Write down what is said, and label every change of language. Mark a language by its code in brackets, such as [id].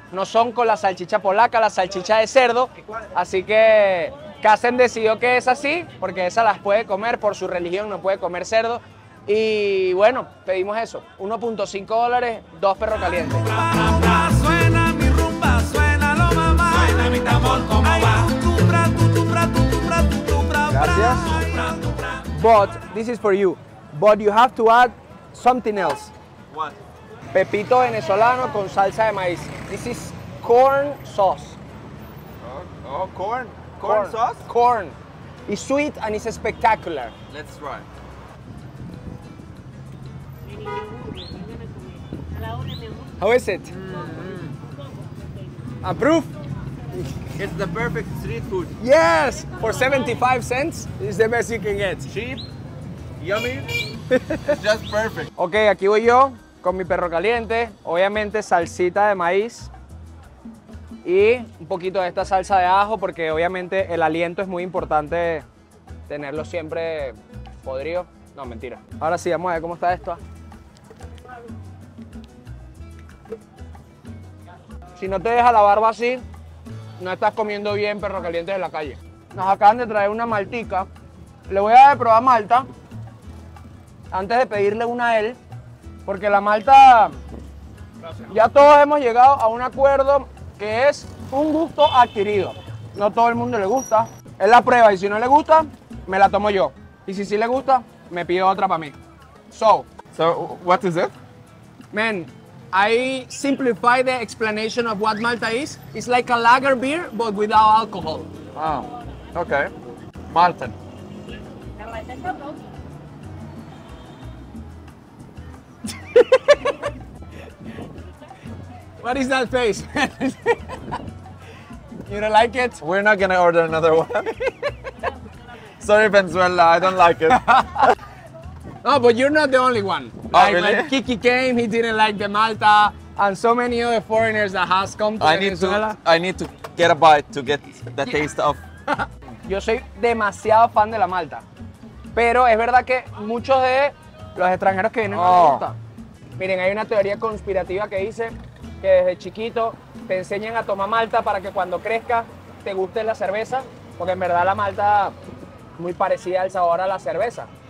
[es] No son con la salchicha polaca, la salchicha de cerdo, así que Kazem decidió que es así, porque esa las puede comer, por su religión no puede comer cerdo. Y bueno, pedimos eso, $1.5, dos perros calientes. Suena mi rumba, suena lo mamá, suena mi tambor, ¿cómo va? Gracias. [en] But, this is for you, but you have to add something else. What? [es] Pepito venezolano con salsa de maíz. [en] This is corn sauce. Oh, corn. Corn sauce? Corn. It's sweet and it's spectacular. Let's try. How is it? Approve? It's the perfect street food. Yes! For 75 cents, it's the best you can get. Cheap, yummy, it's just perfect. [es] Okay, aquí voy yo con mi perro caliente. Obviamente, salsita de maíz. Y un poquito de esta salsa de ajo, porque obviamente el aliento es muy importante tenerlo siempre podrido. No, mentira. Ahora sí, vamos a ver cómo está esto. Si no te deja la barba así, no estás comiendo bien perro caliente de la calle. Nos acaban de traer una maltica. Le voy a probar malta antes de pedirle una a él, porque la malta... Ya todos hemos llegado a un acuerdo que es un gusto adquirido. No todo el mundo le gusta. Es la prueba y si no le gusta, me la tomo yo. Y si sí le gusta, me pido otra para mí. [en] So, what is it? Man, I simplify the explanation of what Malta is. It's like a lager beer, but without alcohol. Ah, oh, okay. Malta. What is that face? You don't like it? We're not gonna order another one. Sorry, Venezuela, I don't like it. No, but you're not the only one. Oh, like, really? Like Kiki came, he didn't like the Malta, and so many other foreigners that has come to Venezuela. I need to get a bite to get the taste of. [es] Yo soy demasiado fan de la Malta, pero es verdad que muchos de los extranjeros que vienen a Malta. Miren, hay una teoría conspirativa que dice que desde chiquito te enseñan a tomar malta para que cuando crezca te guste la cerveza, porque en verdad la malta es muy parecida al sabor a la cerveza.